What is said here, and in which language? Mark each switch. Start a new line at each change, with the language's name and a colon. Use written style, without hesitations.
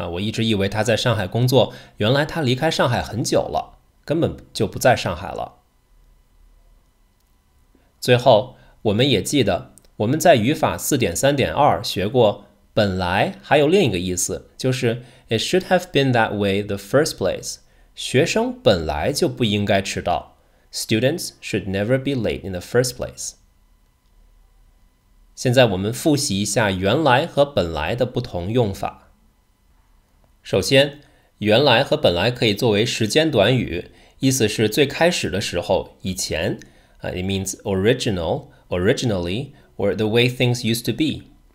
Chinese: 我一直以为他在上海工作，原来他离开上海很久了，根本就不在上海了。最后，我们也记得，我们在语法 4.3.2 学过，本来还有另一个意思，就是
English: It should have been that way the first place.
Chinese: 学生本来就不应该迟到。
English: Students should never be late in the first place.
Chinese: 现在我们复习一下原来和本来的不同用法。首先，原来和本来可以作为时间短语，意思是最开始的时候，以前。
English: It means original, originally, or the way things used to be.